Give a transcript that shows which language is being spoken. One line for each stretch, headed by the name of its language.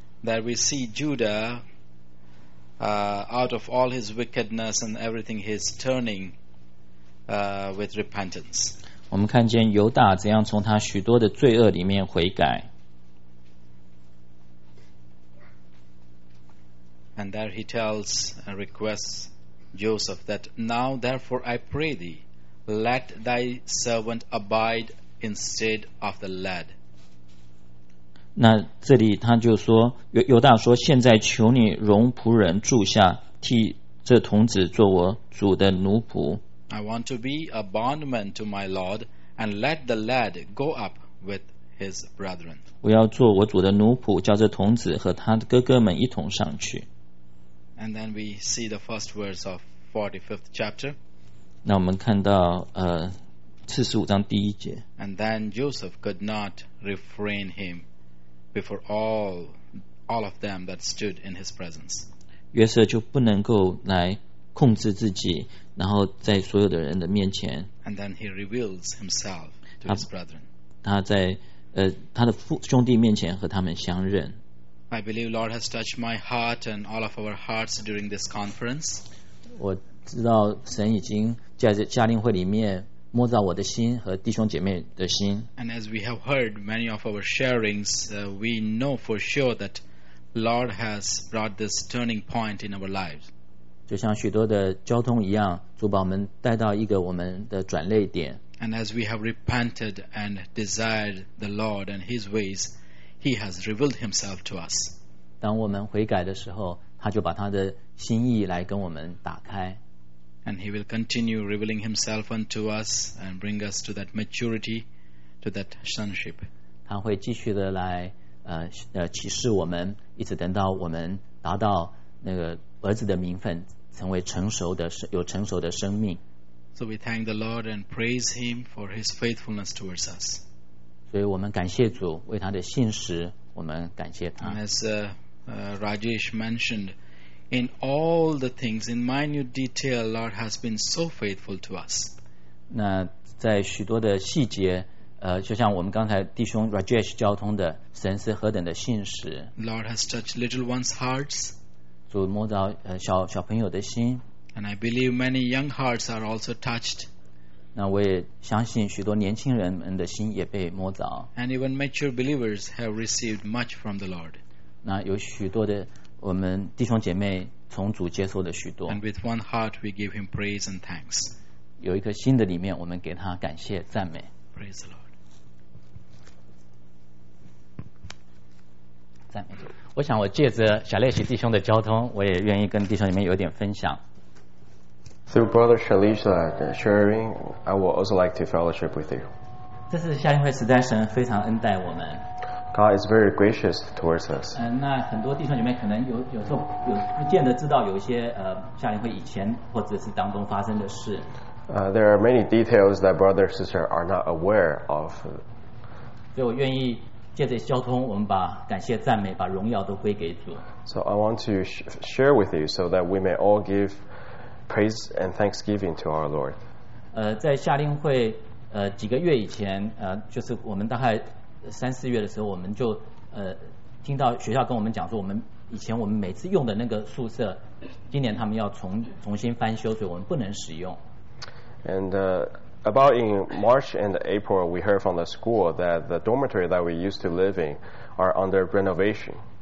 English: That we see Judah out of all his wickedness and everything he's turning with repentance.
Chinese: 我们看见犹大怎样从他许多的罪恶里面悔改。
English: And there he tells and requests Joseph that now therefore I pray thee, let thy servant abide instead of the lad.
Chinese: 那这里他就说，犹大说，现在求你容仆人住下，替这童子做我主的奴仆。
English: I want to be a bondman to my lord, and let the lad go up with his brethren.
Chinese: 我要做我主的奴仆，叫这童子和他的哥哥们一同上去。
English: And then we see the first verse of 45th chapter.
Chinese: 那我们看到45章第一节。
English: And then Joseph could not refrain him before all of them that stood in his presence.
Chinese: 约瑟就不能够来控制自己，然后在所有的人的面前。
English: And then he reveals himself to his brethren.
Chinese: 他在他的兄弟面前和他们相认。
English: I believe Lord has touched my heart and all of our hearts during this conference.
Chinese: 我知道神已经在夏令会里面摸着我的心和弟兄姐妹的心。
English: And as we have heard many of our sharings, we know for sure that Lord has brought this turning point in our lives.
Chinese: 就像许多的交通一样，主把我们带到一个我们的转捩点。
English: And as we have repented and desired the Lord and His ways,He has revealed himself to us.
Chinese: 当我们悔改的时候，他就把他的心意来跟我们打开。
English: And he will continue revealing himself unto us and bring us to that maturity, to that sonship.
Chinese: 他会继续的来启示我们，一直等到我们达到那个儿子的名分，成为成熟的有成熟的生命。
English: So we thank the Lord and praise him for his faithfulness towards us.
Chinese: 所以我们感谢主为他的信实，我们感谢他。
English: As Rajesh mentioned, in all the things, in minute detail, Lord has been so faithful to us.
Chinese: 那在许多的细节，就像我们刚才弟兄 Rajesh 交通的，神是何等的信实。
English: Lord has touched little ones' hearts.
Chinese: 主摸着小朋友的心。
English: And I believe many young hearts are also touched.
Chinese: 那我也相信许多年轻人们的心也被摸着。
English: And even mature believers have received much from the Lord.
Chinese: 那有许多的我们弟兄姐妹从主接受的许多。
English: And with one heart we give him praise and thanks.
Chinese: 有一颗心的里面我们给他感谢赞美。
English: Praise the Lord.
Chinese: 赞美主。我想我借着小列西弟兄的交通，我也愿意跟弟兄姐妹有点分享。
English: Through Brother Shalisha sharing, I would also like to fellowship with you.
Chinese: 这是夏令会时代，神非常恩待我们。
English: God is very gracious towards us.
Chinese: 那很多弟兄姐妹可能有时候有不见得知道有一些夏令会以前或者是当中发生的事。
English: There are many details that brother sister are not aware of.
Chinese: 所以我愿意借着交通，我们把感谢、赞美、把荣耀都归给主。
English: So I want to share with you so that we may all give. Praise and thanksgiving to our Lord.
Chinese: 在夏令会几个月以前，就是我们大概三四月的时候，我们就听到学校跟我们讲说，我们以前我们每次用的那个宿舍，今年他们要重新翻修，所以我们不能使用。
English: And about in March and April, we heard from the school that the dormitory that we used to live in are under renovation.